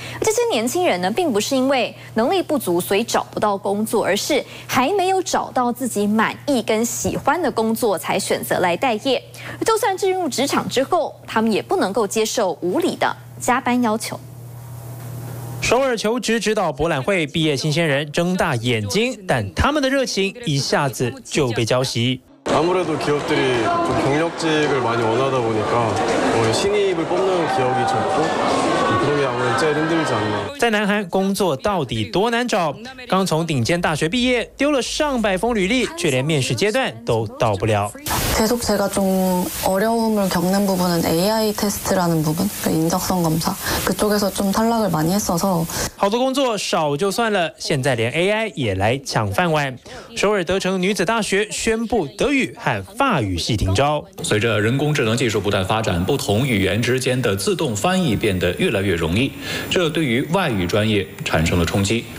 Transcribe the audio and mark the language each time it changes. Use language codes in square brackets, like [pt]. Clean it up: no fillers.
[zh] 这些年轻人呢，并不是因为能力不足所以找不到工作，而是还没有找到自己满意跟喜欢的工作才选择来待业。就算进入职场之后，他们也不能够接受无理的加班要求。首尔求职指导博览会毕业新鲜人睁大眼睛，但他们的热情一下子就被浇熄。 [ko] 아무래도기업들이경력직을많이원하다보니까신입을뽑는기업이적고 [zh] 在南韩工作到底多难找？刚从顶尖大学毕业，丢了上百封履历，却连面试阶段都到不了。 [ko] 계속제가좀어려움을겪는부분은 AI 테스트라는부분인적성검사그쪽에서좀탈락을많이했어서 [zh] 好多工作少就算了，现在连 AI 也来抢饭碗。首尔德城女子大学宣布德语和法语系停招。随着人工智能技术不断发展，不同语言之间的自动翻译变得越来越容易，这对于外语专业产生了冲击。